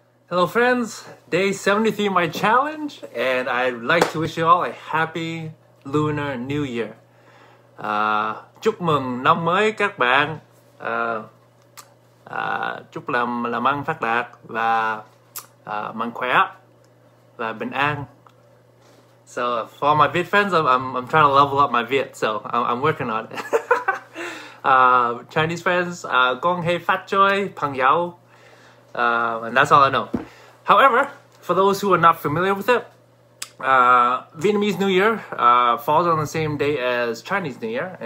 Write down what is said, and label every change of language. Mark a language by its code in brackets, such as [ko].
[en] Hello friends, day 73 of my challenge, and I'd like to wish you all a happy Lunar New Year. [vi] Chúc mừng năm mới các bạn. Chúc làm ăn phát đạt và mạnh khỏe và bình an. [en] So for all my Viet friends, I'm trying to level up my Viet, so I'm working on it. Chinese friends, [yue] Gong hei phat choy, phang yao. [en] And that's all I know. However, for those who are not familiar with it, Vietnamese New Year falls on the same day as Chinese New Year.